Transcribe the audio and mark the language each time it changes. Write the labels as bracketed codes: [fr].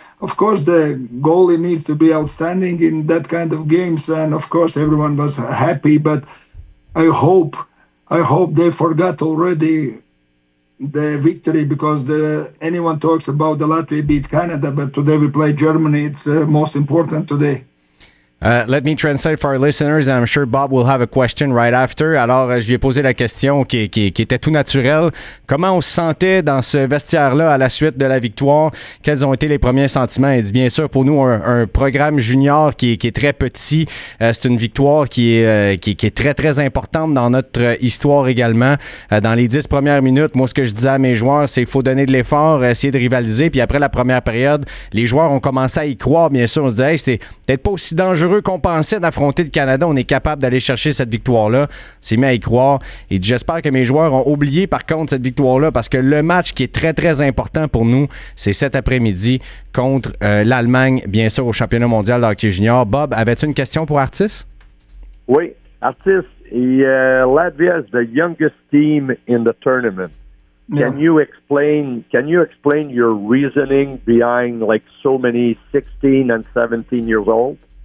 [en] Of course, the goalie needs to be outstanding in that kind of games, and of course, everyone was happy, but I hope they forgot already the victory, because anyone talks about the Latvia beat Canada, but today we play Germany, it's most important today. Let me translate for our listeners. I'm sure Bob will have a question right after. [fr] Alors, je lui ai posé la question qui était tout naturelle. Comment on se sentait dans ce vestiaire-là à la suite de la victoire? Quels ont été les premiers sentiments? Il dit, bien sûr, pour nous, un programme junior qui est très petit, c'est une victoire qui est très, très importante dans notre histoire également. Dans les 10 premières minutes, moi, ce que je disais à mes joueurs, c'est qu'il faut donner de l'effort, essayer de rivaliser. Puis après la première période, les joueurs ont commencé à y croire, bien sûr. On se disait, hey, c'était peut-être pas aussi dangereux. Dangereux qu'on pensait d'affronter le Canada, on est capable d'aller chercher cette victoire-là. C'est mis à y croire. Et j'espère que mes joueurs ont oublié, par contre, cette victoire-là, parce que le match qui est très, très important pour nous, c'est cet après-midi contre l'Allemagne, bien sûr, au championnat mondial de hockey junior. Bob, avais-tu une question pour Artis? [en] Oui, Artis, Latvia is the youngest team in the tournament. Can you explain your reasoning behind like so many 16 and 17 years old?